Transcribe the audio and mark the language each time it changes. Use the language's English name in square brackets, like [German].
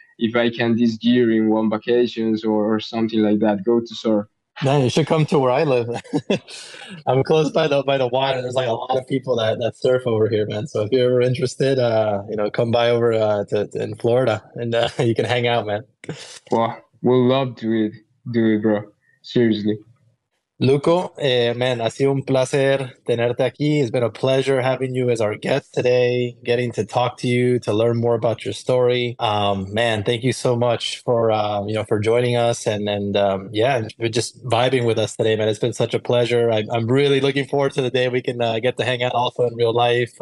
[English] If I can this year in one vacations or something like that, go to surf. Man, you should come to where I live. I'm close by the water. There's like a lot of people that surf over here, man. So if you're ever interested, you know, come by over to in Florida and you can hang out, man. Well, we'll love to do it, bro. Seriously. [Spanish] Luko, man, ha sido un placer tenerte aquí. [English] It's been a pleasure having you as our guest today, getting to talk to you, to learn more about your story. Man, thank you so much for, you know, for joining us and just vibing with us today, man. It's been such a pleasure. I'm really looking forward to the day we can get to hang out also in real life.